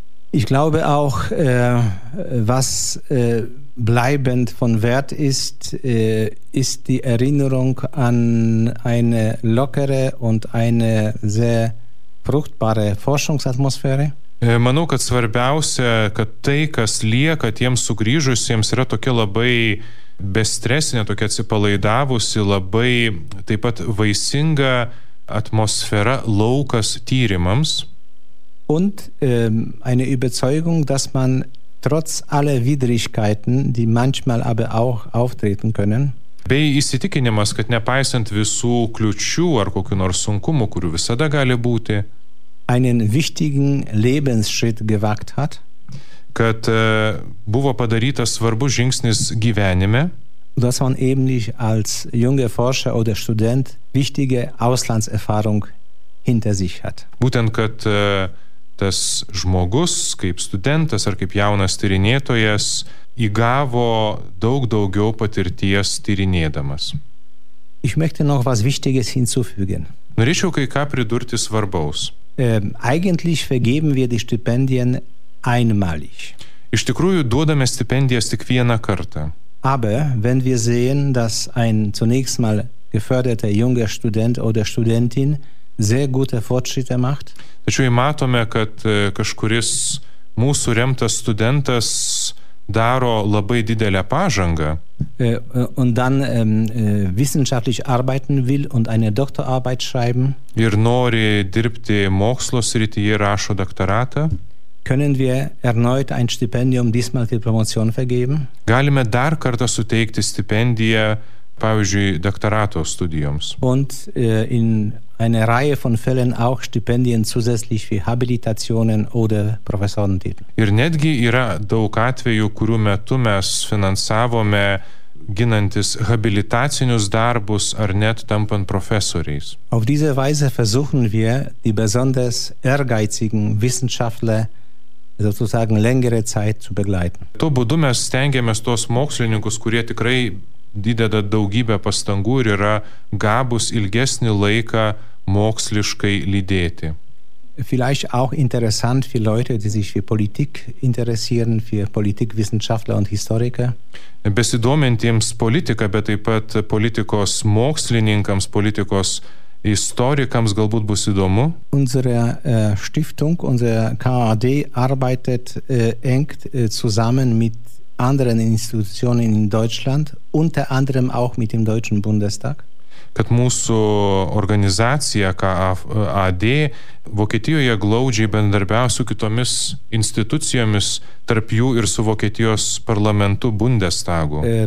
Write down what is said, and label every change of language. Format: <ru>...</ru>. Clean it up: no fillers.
<de>Ich glaube auch, was bleibend von Wert ist, ist die Erinnerung an eine lockere und eine sehr fruchtbare Forschungsatmosphäre.</de> <lt>Manau, kad svarbiausia, kad tai, kas lieka tiems sugrįžusiems, yra tokia labai bestresinė, tokia atsipalaidavusi, labai taip pat vaisinga atmosfera, laukas tyrimams.</lt> <de>Und eine Überzeugung, dass man trotz aller Widrigkeiten, die manchmal aber auch auftreten können.</de> <lt>Bei įsitikinimas, kad nepaisant visų kliūčių ar kokių nors sunkumų, kurių visada gali būti,</lt> <de>einen wichtigen Lebensschritt gewagt hat,</de> <lt>kad buvo padarytas svarbus žingsnis gyvenime,</lt> <de>dass man eben als junger Forscher oder Student wichtige Auslandserfahrung hinter sich hat.</de> <lt>Būtent, kad tas žmogus, kaip studentas ar kaip jaunas tyrinėtojas, įgavo daug daugiau patirties tyrinėdamas.</lt> <de>Ich möchte noch was Wichtiges hinzufügen.</de> <lt>Norėčiau kai ką pridurti svarbaus.</lt> <de>Eigentlich vergeben wir die Stipendien einmalig.</de> <lt>Iš tikrųjų duodame stipendijas tik vieną kartą.</lt> <de>Aber wenn wir sehen, dass ein zunächst mal geförderter junger Student oder Studentin sehr gute Fortschritte macht.</de> <lt>Tačiau matome, kad kažkuris mūsų remtas studentas daro labai didelę pažangą.</lt> <de>Und dann wissenschaftlich arbeiten will und eine Doktorarbeit schreiben.</de> <lt>Ir nori dirbti mokslo srityje, rašo doktoratą.</lt> <de>Können wir erneut ein Stipendium diesmal für Promotion vergeben?</de> <lt>Galime dar kartą suteikti stipendiją, pavyzdžiui, doktorato studijoms.</lt> <de>Und in eine Reihe von Fällen auch Stipendien zusätzlich für Habilitationen oder Professorentitel.</de> <lt>Ir netgi yra daug atvejų, kurių metu mes finansavome ginantis habilitacinius darbus ar net tampant profesoriais.</lt> <de>Auf diese Weise versuchen wir, die besonders ehrgeizigen Wissenschaftler sozusagen längere Zeit zu begleiten.</de> <lt>Tuo būdu mes stengiamės tos mokslininkus, kurie tikrai dideda daugybę pastangų ir yra gabus ilgesnį laiką moksliškai lydėti.</lt> <de>Vielleicht auch interessant für Leute, die sich für Politik interessieren, für Politikwissenschaftler und Historiker.</de> <lt>Besidomintiems politiką, bet taip pat politikos mokslininkams, politikos istorikams galbūt bus įdomu.</lt> <de>Unsere Stiftung, unser KAD arbeitet eng zusammen mit anderen Institutionen in Deutschland, unter anderem auch mit dem Deutschen Bundestag.</de> <lt>Kad mūsų organizacija KAD Vokietijoje glaudžiai bendarbiauja su kitomis institucijomis, tarp jų ir su Vokietijos parlamentu Bundestagu.</lt>